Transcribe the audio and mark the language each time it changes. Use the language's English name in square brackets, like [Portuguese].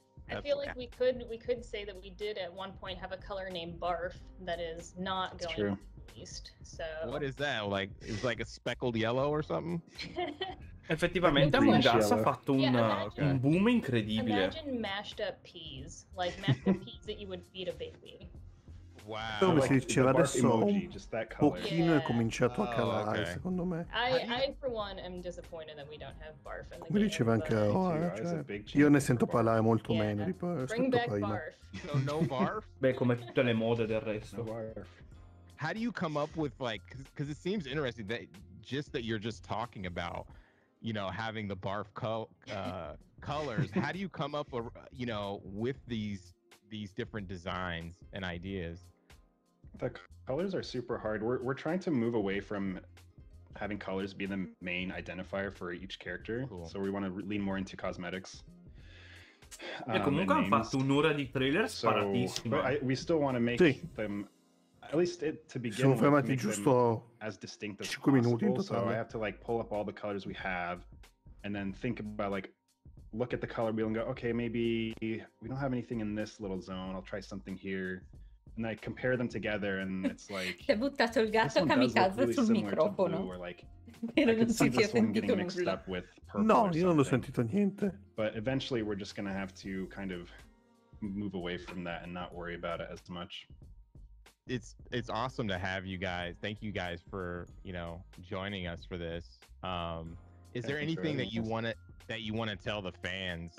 [English] I feel like we could say that we did at one point have a color named Barf that is not going to be released. So what is that? Like, it's like a speckled yellow or something? [Italian] Effettivamente Among Us ha fatto un boom incredibile. [English] Imagine mashed up peas, like mashed up peas that you would feed a baby. Wow. [Italian] Come si diceva, adesso un pochino è cominciato a calare, secondo me. [English] I for one am disappointed that we don't have barf in the game. [Italian] Come diceva anche io ne sento parlare molto meno di barf. [English] Bring back barf. No barf? [Italian] Beh, come tutte le mode del resto. [English] How do you come up with, like, because it seems interesting that just that you're just talking about, you know, having the barf colors. How do you come up, you know, with these different designs and ideas? The colors are super hard. We're trying to move away from having colors be the main identifier for each character. Cool. So we want to lean more into cosmetics. [Italian] Comunque hanno fatto un'ora di trailer sparatissimo. [English] We still want to make them, at least to begin with, make them as distinct as possible. So I have to, like, pull up all the colors we have and then think about, like, look at the color wheel and go, okay, maybe we don't have anything in this little zone. I'll try something here. And I compare them together and it's like, [Italian] si è buttato il gatto kamikaze sul microfono. [English] Or, like, I could see this one getting mixed up with purple. [Italian] No, io non ho sentito niente. [English] But eventually we're just going to have to kind of move away from that and not worry about it as much. It's awesome to have you guys. Thank you guys for, you know, joining us for this. Is there anything that you want to tell the fans?